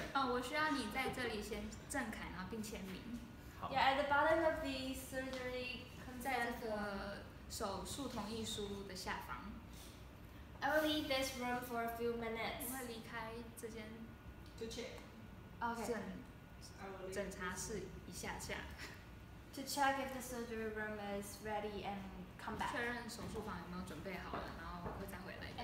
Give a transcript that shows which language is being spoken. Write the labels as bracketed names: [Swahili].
[Chinese] 哦，我需要你在这里先正楷，然后并签名。好。 [English] Yeah, at the bottom of the surgery consent. [Chinese] 在这个手术同意书的下方。 [English] I will leave this room for a few minutes. [Chinese] 我会离开这间。 [English] To check. Okay. [Chinese] 检查室一下下。 [English] To check if the surgery room is ready and come back. [Chinese] 确认手术房有没有准备好了，然后会再回来。